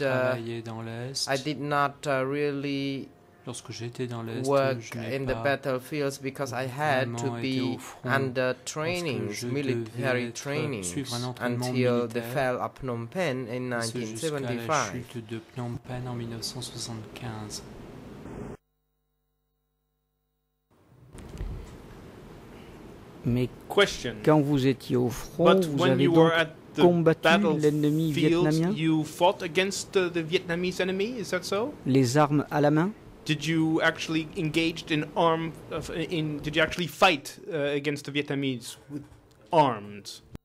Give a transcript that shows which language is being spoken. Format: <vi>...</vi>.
<en>I did not really work in the battlefields because I had to be under training, military training, until the fall of Phnom Penh in 1975.</en> <fr>Mais question. Quand vous étiez au front, vous avez donc combattu l'ennemi vietnamien?</fr> <en>You fought against the Vietnamese enemy, is that so?</en> <fr>Les armes à la main?</fr> <en>Did you actually engaged in arm in did you actually fight against the Vietnamese with arms?</en>